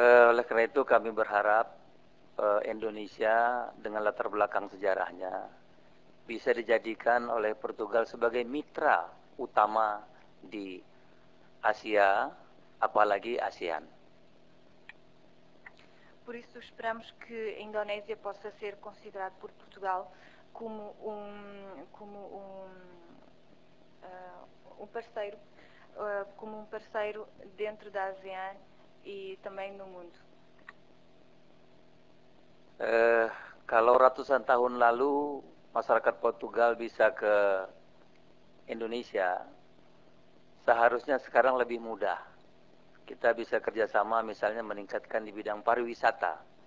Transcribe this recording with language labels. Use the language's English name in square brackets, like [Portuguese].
[Indonesian] Oleh karena itu kami berharap Indonesia dengan latar belakang sejarahnya bisa dijadikan oleh Portugal sebagai mitra utama di Asia, apalagi ASEAN. [Portuguese] Por isso esperamos que a Indonésia possa ser considerada por Portugal como um parceiro dentro da ASEAN e também no mundo. [Indonesian] Kalau ratusan tahun lalu masyarakat Portugal bisa ke Indonesia, seharusnya sekarang lebih mudah. Kita bisa kerjasama misalnya meningkatkan di bidang pariwisata.